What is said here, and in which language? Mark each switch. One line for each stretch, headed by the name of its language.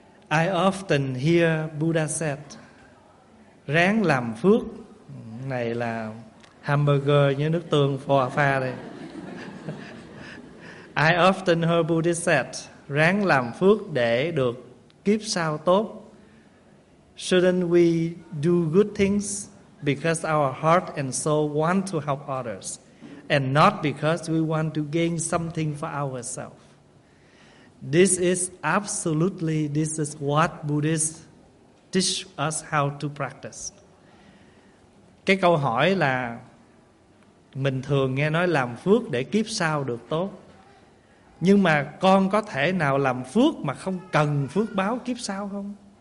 English: I often hear Buddha said,
Vietnamese: ráng làm phước. Này là hamburger như nước tương phò pha đây.
English: I often hear Buddha said,
Vietnamese: ráng làm phước để được kiếp sau tốt.
English: Shouldn't we do good things because our heart and soul want to help others, and not because we want to gain something for ourselves? This is absolutely, this is what Buddhists teach us how to practice.
Vietnamese: Cái câu hỏi là mình thường nghe nói làm phước để kiếp sau được tốt. Nhưng mà con có thể nào làm phước mà không cần phước báo kiếp sau không?